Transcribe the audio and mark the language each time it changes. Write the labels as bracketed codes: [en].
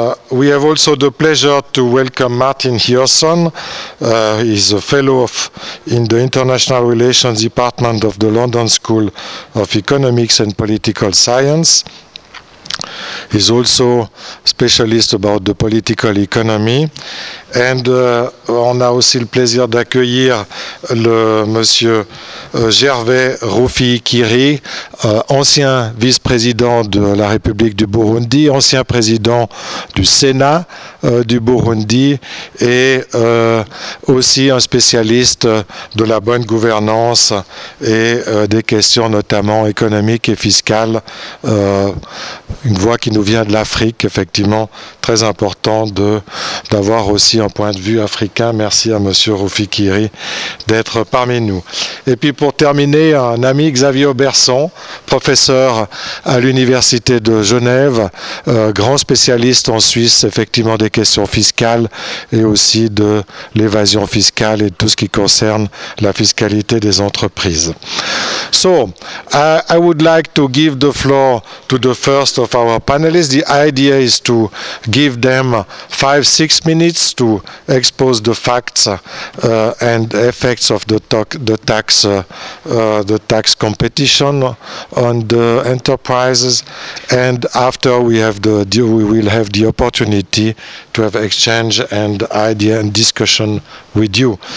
[en] We have also the pleasure to welcome Martin Hirson. He is a fellow in the International Relations Department of the London School of Economics and Political Science. He's also a specialist about the political economy. [fr] And on a aussi le plaisir d'accueillir le monsieur Gervais Rufyikiri, ancien vice-président de la République du Burundi, ancien président du Sénat du Burundi et aussi un spécialiste de la bonne gouvernance et des questions notamment économiques et fiscales. Une voix qui nous vient de l'Afrique, effectivement, très important d'avoir aussi un point de vue africain. Merci à monsieur Rufyikiri d'être parmi nous. Et puis pour terminer, un ami, Xavier Auberçon, professeur à l'Université de Genève, grand spécialiste en Suisse, effectivement, des questions fiscales et aussi de l'évasion fiscale et de tout ce qui concerne la fiscalité des entreprises. [en] So, I would like to give the floor to the first of our panelists. The idea is to give them 5-6 minutes to expose the facts and effects of the tax competition on the enterprises, and after we will have the opportunity to have exchange and idea and discussion with you.